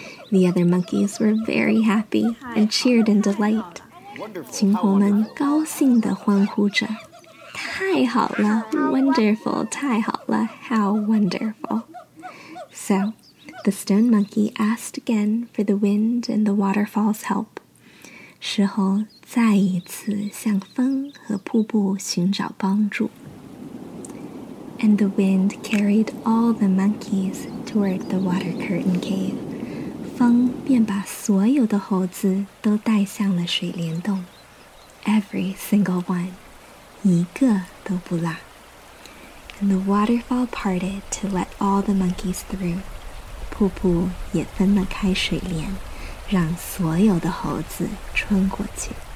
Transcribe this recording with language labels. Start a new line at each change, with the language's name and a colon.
English: The other monkeys were very happy and cheered in delight.
Chinese: 群猴们高兴地欢呼着。太好了 ,
English: wonderful,
Chinese: 太好了 ,
English: how wonderful. So, the stone monkey asked again for the wind and the waterfall's help.
Chinese: 石猴再一次向风和瀑布寻找帮助。
English: And the wind carried all the monkeys toward the water curtain cave.
Chinese: 风便把所有的猴子都带向了水帘洞。
English: Every single one,
Chinese: 一个都不落。
English: And the waterfall parted to let all the monkeys through.
Chinese: 瀑布也分了开水帘，让所有的猴子穿过去。